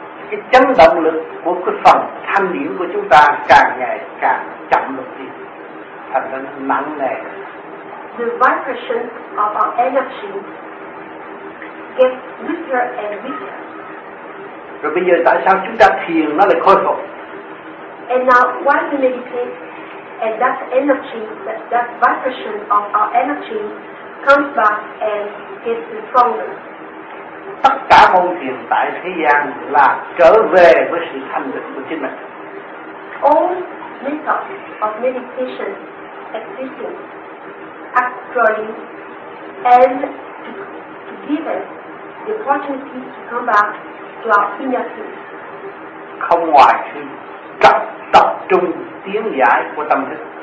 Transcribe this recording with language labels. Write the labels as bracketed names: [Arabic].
[Vietnamese] Cái chấn động lực của cái phần thanh điển của chúng ta càng ngày càng chậm lực đi, thành ra nó nặng nề. [English] The vibration of our energy gets weaker and weaker. [Vietnamese] Rồi bây giờ tại sao chúng ta thiền nó lại khôi phục? [English] And now why we meditate and that energy, that vibration of our energy comes back and gets stronger? [Vietnamese] Tất cả môn thiền tại thế gian là trở về với sự thanh tịnh của chính mình. [English] All methods of meditation existing actually and to give us the opportunity to come back to our inner peace. [Vietnamese] Không ngoài sự trọng tập trung tiếng giải của tâm thức.